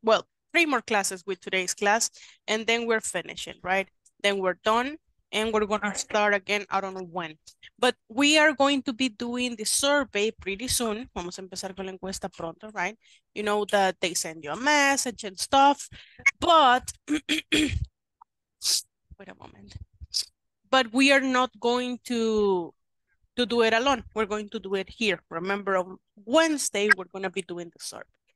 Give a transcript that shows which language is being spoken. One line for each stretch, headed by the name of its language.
English: Well, 3 more classes with today's class, and then we're finishing, right? Then we're done. And we're gonna start again, I don't know when. But we are going to be doing the survey pretty soon.
Spanish: Vamos a empezar con la encuesta pronto, right?
English: You know that they send you a message and stuff, but, wait a moment. But we are not going to do it alone. We're going to do it here. Remember on Wednesday, we're gonna be doing the survey.